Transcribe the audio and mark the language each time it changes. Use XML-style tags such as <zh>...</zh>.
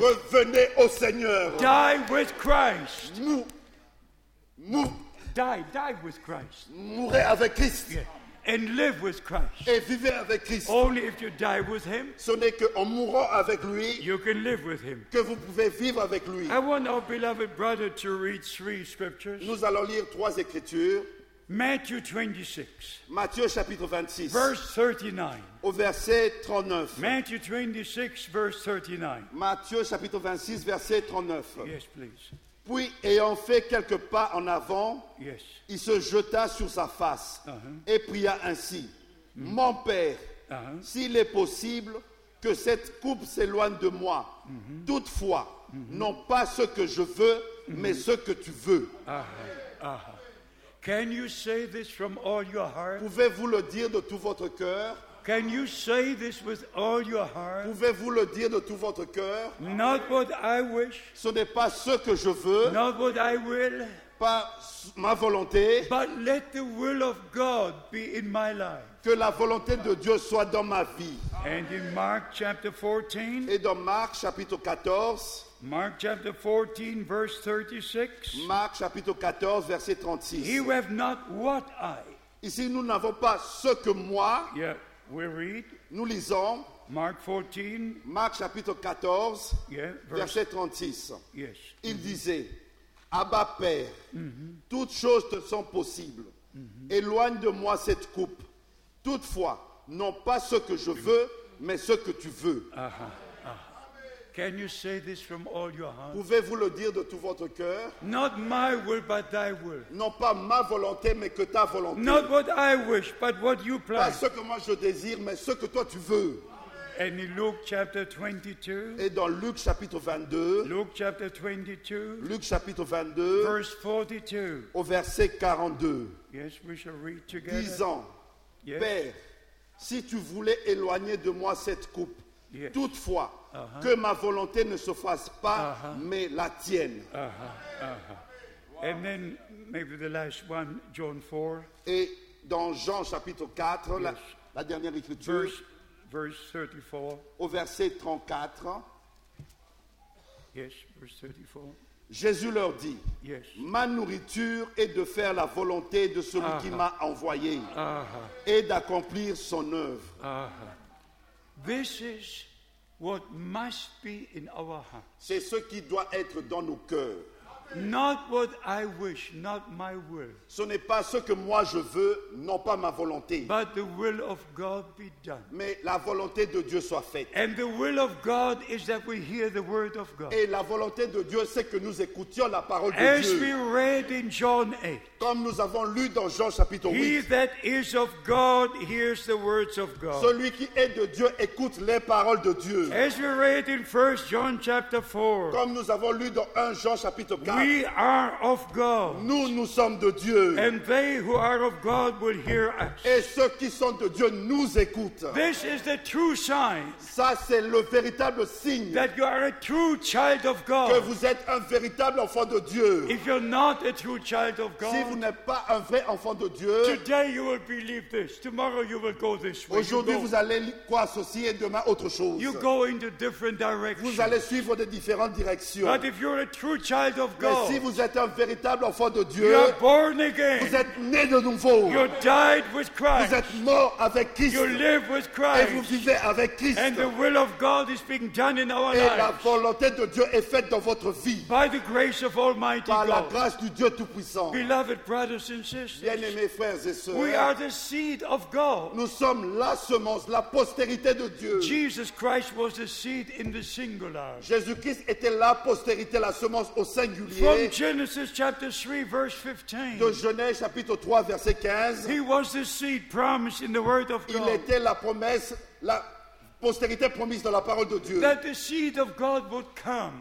<fr>Revenez au Seigneur.</fr> <en>Die with Christ. Die with Christ.</en> <fr>Mourez avec Christ.</fr> <en>Yeah. And live with Christ.</en> <fr>Et vivez avec Christ.</fr> <en>Only if you die with him,</en> <fr>ce n'est qu'en mourant avec lui,</fr> <en>you can live with him,</en> <fr>que vous pouvez vivre avec lui.</fr> <en>I want our beloved brother to read three scriptures.</en> <fr>Nous allons lire trois écritures.</fr> <en>Matthew 26.</en> <fr>Matthieu chapitre 26.</fr> <en>Verse 39.</en> <fr>Au verset 39.</fr> <en>Matthew 26, verse 39.</en> <fr>Matthieu chapitre 26, verset 39.</fr> <en>Yes, please.</en> <fr>Puis, ayant fait quelques pas en avant,</fr> <en>yes,</en> <fr>il se jeta sur sa face, uh-huh, et pria ainsi, mm-hmm, « Mon Père, uh-huh, s'il est possible que cette coupe s'éloigne de moi, mm-hmm, toutefois, mm-hmm, non pas ce que je veux, mm-hmm, mais ce que tu veux.</fr> <en>Uh-huh. » Can you say this from all your heart?</en> <fr>Pouvez-vous le dire de tout votre cœur?</fr> <en>Can you say this with all your heart?</en> <fr>Pouvez-vous le dire de tout votre cœur?</fr> <en>Not what I wish.</en> <fr>Ce n'est pas ce que je veux.</fr> <en>Not what I will.</en> <fr>Pas ma volonté.</fr> <en>But let the will of God be in my life.</en> <fr>Que la volonté de Dieu soit dans ma vie.</fr> <en>And in Mark chapter 14.</en> <fr>Et dans Marc chapitre 14.</fr> <en>Mark chapter 14 verse 36.</en> <fr>Marc chapitre 14 verset 36.</fr> <en>He who have not what I.</en> <fr>Ici nous n'avons pas ce que moi.</fr> <en>Yeah. We read,</en> <fr>nous lisons</fr> <en>Mark 14,</en> <fr>Marc chapitre 14,</fr> <en>yeah,</en> <fr>verset 36.</fr> <en>Yes.</en> <fr>Il mm-hmm disait, Abba Père, mm-hmm, toutes choses te sont possibles. Mm-hmm. Éloigne de moi cette coupe. Toutefois, non pas ce que je veux, mais ce que tu veux. Uh-huh.</fr> <en>Uh-huh. Can you say this from all your heart?</en> <fr>Pouvez-vous le dire de tout votre cœur?</fr> <en>Not my will, but thy will.</en> <fr>Non pas ma volonté, mais que ta volonté.</fr> <en>Not what I wish, but what you plan.</en> <fr>Pas ce que moi je désire, mais ce que toi tu veux.</fr> <en>Amen. And in Luke chapter 22.</en> <fr>Et dans Luc chapitre 22.</fr> <en>Luke chapter 22.</en> <fr>Luc chapitre 22.</fr> <en>Verse 42.</en> <fr>Au verset 42.</fr> <en>Yes, we shall read together.</en> <fr>Disant,</fr> <en>yes,</en> <fr>Père, si tu voulais éloigner de moi cette coupe,</fr> <en>yes,</en> <fr>toutefois, uh-huh, que ma volonté ne se fasse pas, uh-huh, mais la tienne. Uh-huh. Uh-huh.</fr> <en>And then maybe the last one, John 4.</en> <fr>Et dans Jean chapitre 4, yes, la dernière écriture,</fr> <en>verse 34.</en> <fr>Au verset 34.</fr> <en>Yes, verse 34.</en> <fr>Jésus leur dit, ma nourriture est de faire la volonté de celui qui m'a envoyé et d'accomplir son œuvre.</fr> <en>This is what must be in our heart.</en> <fr>C'est ce qui doit être dans nos cœurs.</fr> <en>Not what I wish, not my will.</en> <fr>Ce n'est pas ce que moi je veux, non pas ma volonté.</fr> <en>But the will of God be done.</en> <fr>Mais la volonté de Dieu soit faite.</fr> <en>And the will of God is that we hear the word of God.</en> <fr>Et la volonté de Dieu, c'est que nous écoutions la parole de</fr> <en>As</en> <fr>Dieu.</fr> <en>As we read in John 8.</en> <fr>Comme nous avons lu dans Jean chapitre 8.</fr> <en>He that is of God hears the words of God.</en> <fr>Celui qui est de Dieu écoute les paroles de Dieu.</fr> <en>As we read in 1 John chapter 4.</en> <fr>Comme nous avons lu dans 1 Jean chapitre 4.</fr> <en>We are of God.</en> <fr>Nous sommes de Dieu.</fr> <en>And they who are of God will hear us.</en> <fr>Et ceux qui sont de Dieu nous écoutent.</fr> <en>This is the true sign.</en> <fr>Ça c'est le véritable signe.</fr> <en>That you are a true child of God.</en> <fr>Que vous êtes un véritable enfant de Dieu.</fr> <en>If you're not a true child of God.</en> <fr>Si vous n'êtes pas un vrai enfant de Dieu.</fr> <en>Today you will believe this. Tomorrow you will go this way.</en> <fr>Aujourd'hui vous allez croire ceci et demain autre chose.</fr> <en>You go in the different directions.</en> <fr>Vous allez suivre des différentes directions.</fr> <en>But if you're a true child of God.</en> <fr>Mais si vous êtes un véritable enfant de Dieu,</fr> <en>you are born again.</en> <fr>Vous êtes né de nouveau.</fr> <en>You died with Christ.</en> <fr>Vous êtes mort avec Christ.</fr> <en>You live with Christ.</en> <fr>Et vous vivez avec Christ.</fr> <en>And the will of God is being done in our</en> <fr>Et</fr> <en>lives.</en> <fr>La volonté de Dieu est faite dans votre vie.</fr> <en>By the grace of Almighty</en> <fr>Par</fr> <en>God.</en> <fr>La grâce du Dieu Tout-Puissant.</fr> <en>Beloved brothers and sisters,</en> <fr>Bien-aimés frères et sœurs,</fr> <en>we are the seed of God.</en> <fr>Nous sommes la semence, la postérité de Dieu.</fr> <en>Jesus Christ was the seed in the singular.</en> <fr>Jésus-Christ était la postérité, la semence au singulier.</fr> <en>From Genesis chapter 3 verse 15.</en> <fr>De Genèse chapitre 3 verset 15.</fr> <en>He was the seed promised in the word of God.</en> <fr>Il était la promesse, la postérité promise dans la parole de Dieu.</fr> <en>That the seed of God would come.</en>